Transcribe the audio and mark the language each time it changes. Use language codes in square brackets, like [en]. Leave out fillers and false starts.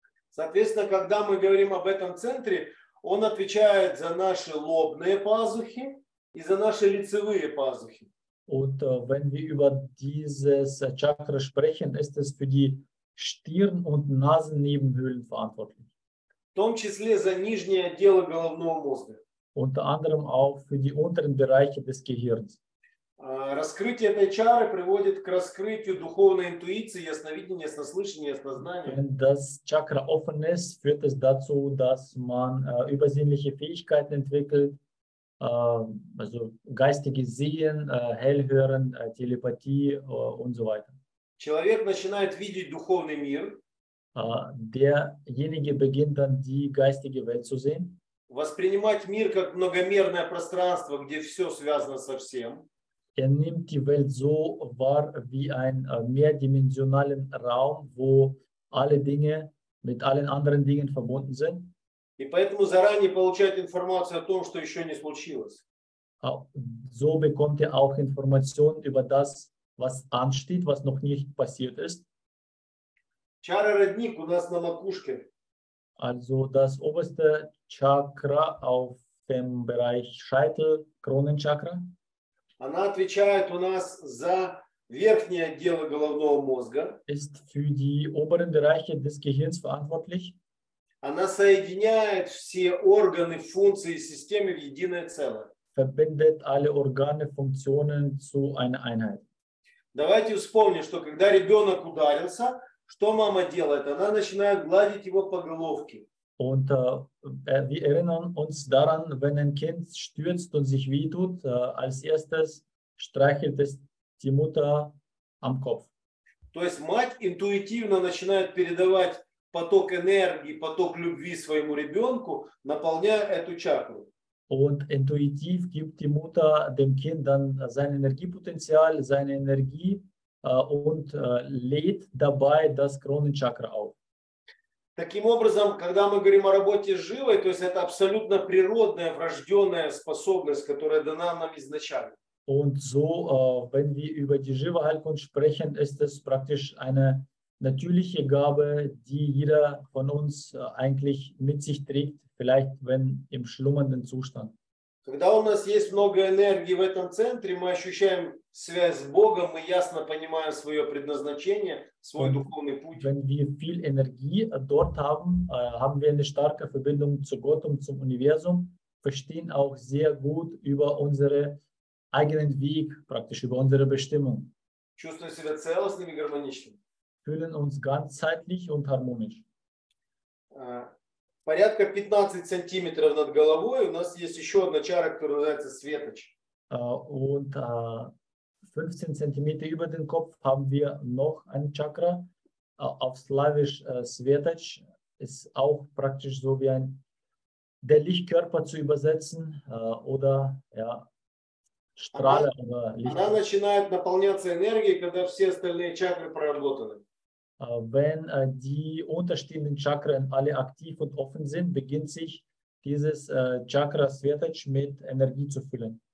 [ru] Соответственно, когда мы говорим об этом центре, он отвечает за наши лобные пазухи. И за наши лицевые пазухи. [de] Und wenn wir über dieses Chakra sprechen, ist es für die Stirn- und Nasennebenhöhlen verantwortlich. [ru] В том числе за нижнее отдело головного мозга. [de] Unter anderem auch für die unteren Bereiche des Gehirns. [ru] Раскрытие этой чары приводит к раскрытию духовной интуиции, ясновидения, яснослышания, яснознания. [de] Wenn das Chakra offen ist, führt es dazu, dass man übersinnliche Fähigkeiten entwickelt. Also geistige Sehen, Hellhören, Telepathie und so weiter. [ru] Человек начинает видеть духовный мир. [de] Derjenige beginnt dann die geistige Welt zu sehen. [ru] Воспринимать мир как многомерное пространство, где все связано со всем. [de] Er nimmt die Welt so wahr wie ein mehrdimensionalen Raum, wo alle Dinge mit allen anderen Dingen verbunden sind. [ru] И поэтому заранее получает информацию о том, что еще не случилось. [de] So bekommt er auch Informationen über das, was ansteht, was noch nicht passiert ist. [ru] Чара родник у нас на макушке. [de] Also das oberste Chakra auf dem Bereich Scheitel, Kronenchakra. [ru] Она отвечает у нас за верхнее отдело головного мозга. [de] Ist für die oberen Bereiche des Gehirns verantwortlich. [ru] Она соединяет все органы, функции и системы в единое целое. [de] Verbindet alle Organe, Funktionen zu einer Einheit. [ru] Давайте вспомним, что когда ребенок ударился, что мама делает? Она начинает гладить его по головке. [de] Und wir erinnern uns daran, wenn ein Kind stürzt und sich wehtut, als erstes streichelt es die Mutter am Kopf. [ru] То есть мать интуитивно начинает передавать поток энергии, поток любви своему ребенку, наполняя эту чакру. [de] Und intuitiv gibt die Mutter dem Kind dann sein Energiepotenzial, seine Energie und lädt dabei das Kronenchakra auf. [ru] Таким образом, когда мы говорим о работе с живой, то есть это абсолютно природная, врожденная способность, которая дана нам изначально. [de] Und so, wenn wir über die Jiva-Heilkunst sprechen, ist es praktisch eine natürliche Gabe, die jeder von uns eigentlich mit sich trägt, vielleicht wenn im schlummernden Zustand. [ru] Когда у нас есть много энергии в этом центре, мы ощущаем связь с Богом, мы ясно понимаем свое предназначение, свой духовный путь. [de] Wenn wir viel Energie dort haben, haben wir eine starke Verbindung zu Gott und zum Universum, verstehen auch sehr gut über unseren eigenen Weg, praktisch über unsere Bestimmung. [ru] Чувствуем себя целостным и гармоничным. [de] Fühlen uns ganzheitlich und harmonisch. [ru] Порядка 15 сантиметров над головой у нас есть еще одна чара, которая называется Светоч. [de] Und 15 [ru] сантиметров [de] über den Kopf haben wir noch eine Chakra. Auf Slavisch Светоч ist auch praktisch so wie ein der Lichtkörper zu übersetzen oder ja, Strahle. [ru] Она начинает наполняться энергией, когда все остальные чакры проработаны. [de] Wenn die unterstehenden Chakren alle aktiv und offen sind, beginnt sich dieses Chakra Svetaj mit Energie zu füllen.